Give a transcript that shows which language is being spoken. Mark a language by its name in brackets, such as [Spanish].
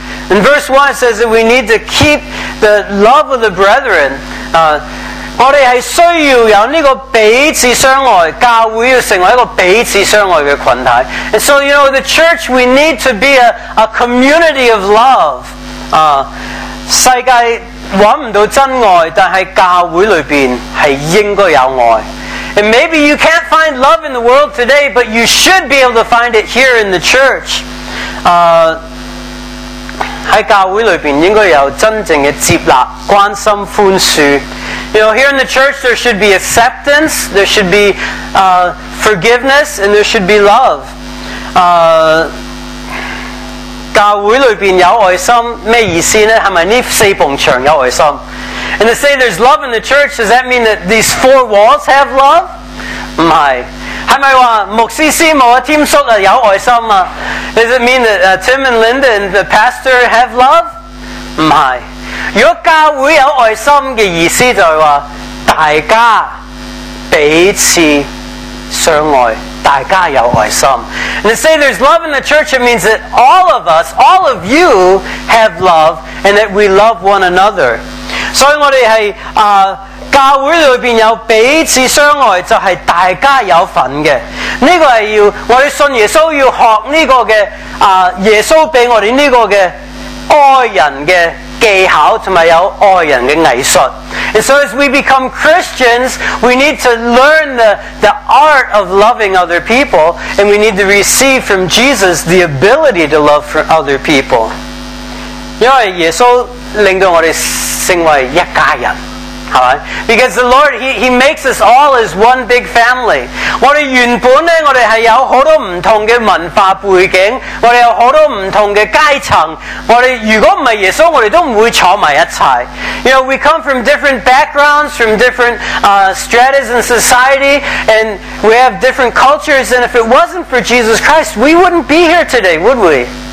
[English] In verse 1 it says that we need to keep the love of the brethren. [Chinese] 我们是需要有这个彼此相爱，教会要成为一个彼此相爱的群体。 [English] And so, you know, the church, we need to be a community of love. [Chinese] 世界找不到真爱，但是教会里面是应该有爱。 [English] And maybe you can't find love in the world today, but you should be able to find it here in the church. [Chinese] 在教会里面应该有真正的接纳、关心、宽恕。 [English] You know, here in the church, there should be acceptance, there should be forgiveness, and there should be love. [Chinese] 教会里面有爱心，咩意思呢？是不是这四埲墙有爱心？ [English] And to say there's love in the church, does that mean that these four walls have love? [Chinese] 不是。是不是说牧师师母啊、添叔啊有爱心啊？ [English] Does it mean that Tim and Linda and the pastor have love? [Chinese] 不是。如果教会有爱心的意思就是说大家彼此相爱，大家有爱心。 [English] And to say there's love in the church, it means that all of us, all of you have love and that we love one another. [Chinese] 所以我们是教会里面有彼此相爱，就是大家有份的。这个是要我们信耶稣要学这个的耶稣给我们这个的爱人的技巧，还有爱人的艺术。 [English] And so as we become Christians, we need to learn the art of loving other people, and we need to receive from Jesus the ability to love for other people. [Chinese] 因为耶稣令到我们成为一家人。 [English] Because the Lord, he makes us all as one big family. [Chinese] 我们原本呢，我们是有很多不同的文化背景，我们有很多不同的阶层，我们如果不是耶稣，我们都不会坐在一起。 [English] You know, we come from different backgrounds, from different stratas in society, and we have different cultures, and if it wasn't for Jesus Christ, we wouldn't be here today, would we?